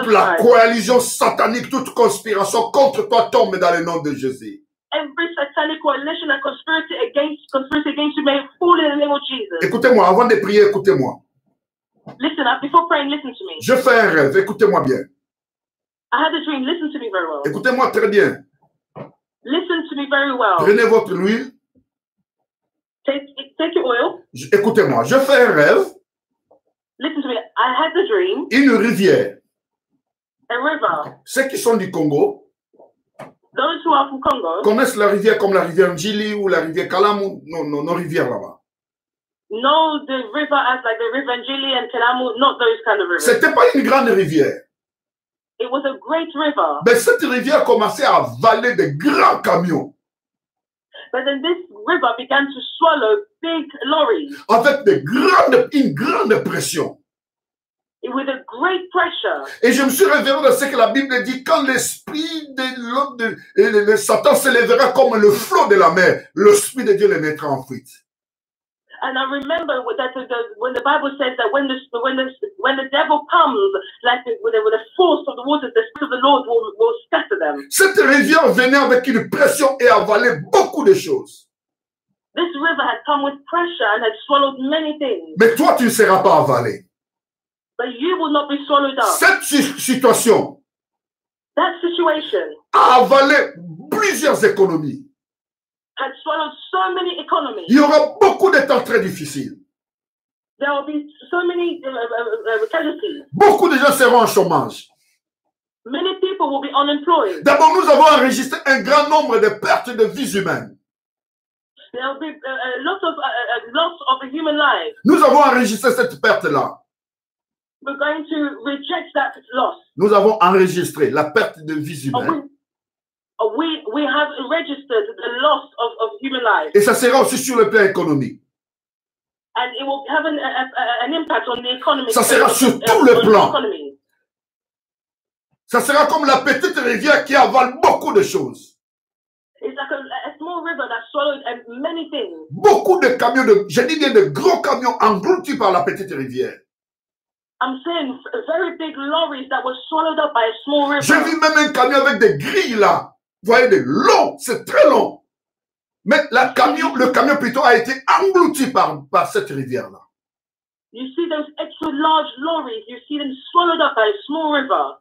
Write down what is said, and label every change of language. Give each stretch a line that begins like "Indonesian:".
French: Toute la coalition satanique, toute conspiration contre toi tombe dans le nom de Jésus.
English: Every satanic coalition and conspiracy against you may fall in the name of Jesus.
French: Écoutez-moi, avant de prier, écoutez-moi.
English: Listen up, before praying, listen to me.
French: Je fais un rêve, écoutez-moi bien.
English: I had a dream, listen to me very well.
French: Écoutez-moi très bien.
English: Listen to me very well.
French: Prenez votre huile.
English: Take your oil.
French: Écoutez-moi, je fais un rêve.
English: Listen to me, I had a dream.
French: Une rivière.
English: A river.
French: Ceux qui sont du Congo.
English: Those who are from Congo.
French: Connaissent la rivière comme la rivière Njili ou la rivière Kalamu. Non, rivière là-bas.
English: No, the river as like the river Njili and Kalamu, not those kind of rivers.
French: C'était pas une grande rivière.
English: It was a great river.
French: Mais cette rivière commençait à avaler de grands camions.
English: But then this river began to swallow big lorries.
French: Avec une grande pression.
English: With a great pressure.
French: Et je me suis réveillé dans ce que la Bible dit, quand l'esprit de l'homme de Satan s'élèvera comme le flot de la mer, l'esprit de Dieu le mettra en fuite.
English: And I remember that when the Bible says that when the devil comes like with a force of the waters, the spirit of the Lord will scatter them.
French: Cette rivière venait avec une pression et avalait beaucoup de choses.
English: This river had come with pressure and had swallowed many things.
French: Mais toi, tu ne seras pas avalé.
English: But you will not be swallowed up.
French: Cette situation.
English: That situation.
French: A avalé plusieurs économies.
English: had swallowed so many economies.
French: Il y aura beaucoup de temps très difficiles.
English: There will be so many casualties.
French: Beaucoup de gens seront en chômage.
English: Many people will be unemployed.
French: D'abord, nous avons enregistré un grand nombre de pertes de vies humaines.
English: There will be lots of human lives.
French: Nous avons enregistré cette perte-là.
English: We're going to reject that loss.
French: Nous avons enregistré la perte de vies humaines.
English: We have registered the loss of human lives.
French: Et ça sera aussi sur le plan économique.
English: And it will have an impact on the economy.
French: Ça sera sur tout le plan. Ça sera comme la petite rivière qui avale beaucoup de choses.
English: It's like a small river that swallowed many things.
French: Beaucoup de camions, je dis bien de gros camions engloutis par la petite rivière.
English: I'm saying very big lorries that were swallowed up by a small river.
French: J'ai vu même un camion avec des grilles là. Vous voyez, de long, c'est très long. Mais le camion plutôt a été englouti par cette rivière là.
English: You see those extra large lorries, you see them swallowed up by a small river.